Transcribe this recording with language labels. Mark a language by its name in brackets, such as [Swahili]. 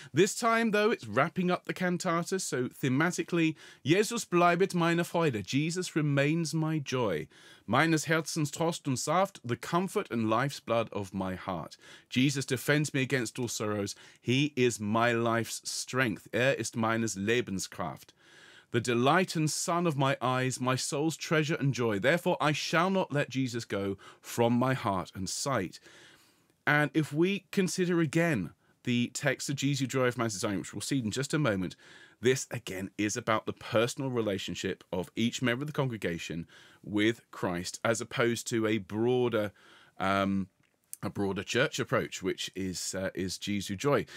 [English] This time, though, it's wrapping up the cantata. So, thematically, [German] Jesus bleibet meine Freude. [English] Jesus remains my joy. [German] Meines Herzens Trost und Saft, [English] the comfort and life's blood of my heart. Jesus defends me against all sorrows. He is my life's strength. [German] Ist meines Lebenskraft. [English] The delight and sun of my eyes, my soul's treasure and joy. Therefore, I shall not let Jesus go from my heart and sight. And if we consider again the text of Jesu Joy of Man's Desiring, which we'll see in just a moment, this again is about the personal relationship of each member of the congregation with Christ, as opposed to a broader church approach, which is Jesu Joy.